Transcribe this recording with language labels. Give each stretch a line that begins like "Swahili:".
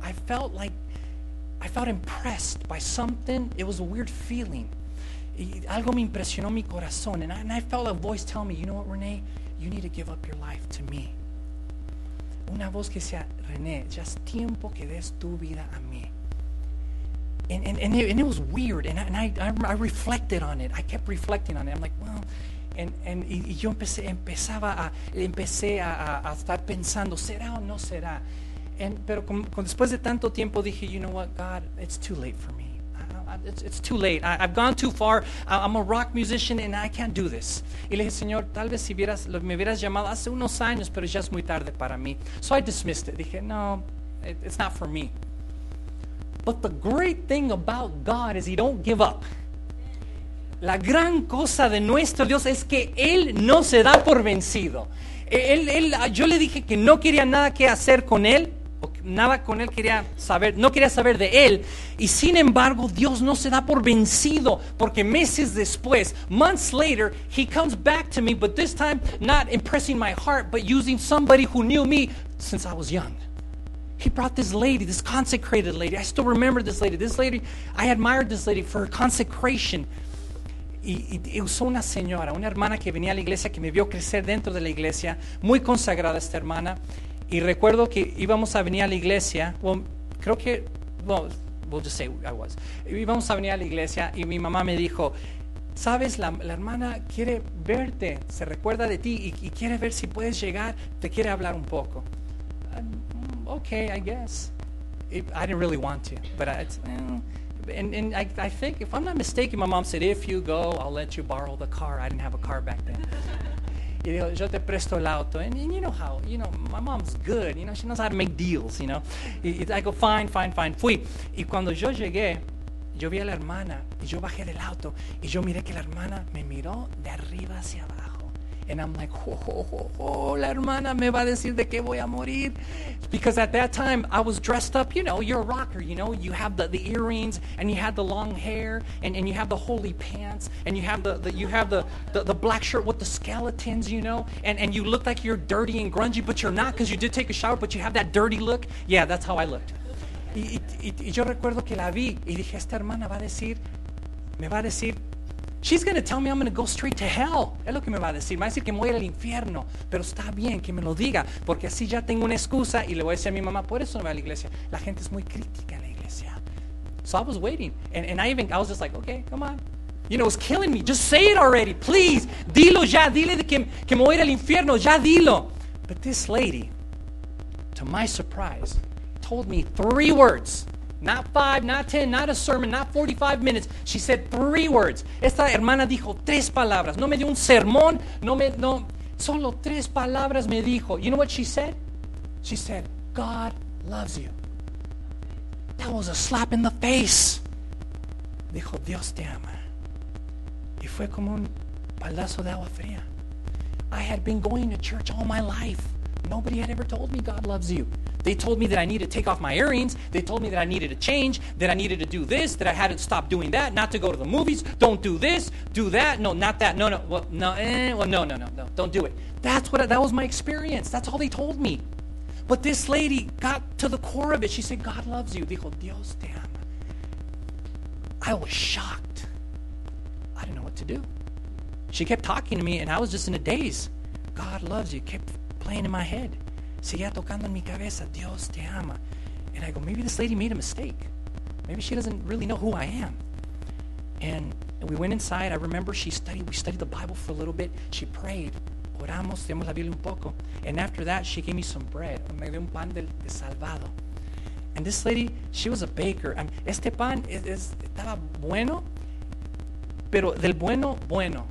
English: I felt impressed by something. It was a weird feeling.
Spanish: Algo me impresionó mi corazón,
English: and I felt a voice tell me, "You know what, Renee? You need to give up your life to me."
Spanish: Una voz que decía, "Renee, ya es tiempo que des tu vida a mí."
English: And it was weird, and I reflected on it. I kept reflecting on it. I'm like, well,
Spanish: y yo empecé a estar pensando, ¿será o no será? Pero después de tanto tiempo dije,
English: you know what, God, it's too late for me. It's too late. I've gone too far. I'm a rock musician and I can't do this.
Spanish: Y le dije, Señor, tal vez si me hubieras llamado hace unos años, pero ya es muy tarde para mí. So I dismissed it. Dije, no, it's not for me.
English: But the great thing about God is He don't give up.
Spanish: La gran cosa de nuestro Dios es que Él no se da por vencido. Yo le dije que no quería nada que hacer con Él, o nada con Él quería saber, no quería saber de Él. Y sin embargo, Dios no se da por vencido, porque meses después, months later, He comes back to me, but this time not impressing my heart, but using somebody who knew me since I was young.
English: He brought this lady, this consecrated lady. I still remember this lady. This lady, I admired this lady for her consecration.
Spanish: Y usó una señora, una hermana que venía a la iglesia, que me vio crecer dentro de la iglesia, muy consagrada esta hermana. Y recuerdo que íbamos a venir a la iglesia. Íbamos a venir a la iglesia y mi mamá me dijo, "Sabes, la hermana quiere verte, se recuerda de ti y quiere ver si puedes llegar, te quiere hablar un poco."
English: Okay, I guess. I didn't really want to, but I think, if I'm not mistaken, my mom said, "If you go, I'll let you borrow the car." I didn't have a car back then.
Spanish: Y dijo, "Yo te presto el auto."
English: And you know how, you know, my mom's good. You know, she knows how to make deals, you know. Y I go, fine.
Spanish: Fui. Y cuando yo llegué, yo vi a la hermana, y yo bajé del auto, y yo miré que la hermana me miró de arriba hacia abajo.
English: And I'm like, oh,
Spanish: la hermana me va a decir de que voy a morir.
English: Because at that time, I was dressed up, you know, you're a rocker, you know. You have the earrings, and you had the long hair, and you have the holy pants, and you have the black shirt with the skeletons, you know. And you look like you're dirty and grungy, but you're not, because you did take a shower, but you have that dirty look. Yeah, that's how I looked.
Spanish: Y yo recuerdo que la vi, y dije, esta hermana va a decir, me va a decir,
English: She's going to tell me I'm going to go straight to hell.
Spanish: Es lo que me va a decir. Me va a decir que me voy al infierno. Pero está bien que me lo diga, porque así ya tengo una excusa y le voy a decir a mi mamá, por eso no voy a la iglesia. La gente es muy crítica en la iglesia.
English: So I was waiting. And I was just like, okay, come on. You know, it's killing me. Just say it already, please.
Spanish: Dilo ya. Dile de que me voy al infierno. Ya dilo.
English: But this lady, to my surprise, told me 3 words. Not 5, not 10, not a sermon, not 45 minutes. She said 3 words.
Spanish: Esta hermana dijo 3 palabras. No me dio un sermón. Solo 3 palabras me dijo.
English: You know what she said? She said, God loves you. That was a slap in the face.
Spanish: Dijo, Dios te ama. Y fue como un baldazo de agua fría.
English: I had been going to church all my life. Nobody had ever told me God loves you. They told me that I needed to take off my earrings. They told me that I needed to change, that I needed to do this, that I had to stop doing that, not to go to the movies, don't do this, do that. No, not that. No, no. Well, no. Well, no, no, no, no. Don't do it. That was my experience. That's all they told me. But this lady got to the core of it. She said, God loves you.
Spanish: Dijo, Dios te ama.
English: I was shocked. I didn't know what to do. She kept talking to me, and I was just in a daze. God loves you. Kept playing in my head.
Spanish: Seguía tocando en mi cabeza, Dios te ama.
English: And I go, maybe this lady made a mistake. Maybe she doesn't really know who I am. And we went inside. I remember we studied the Bible for a little bit. She prayed.
Spanish: Oramos, leemos la Biblia un poco.
English: And after that, she gave me some bread.
Spanish: Me dio un pan de salvado.
English: And this lady, she was a baker.
Spanish: Este pan estaba bueno, pero del bueno, bueno.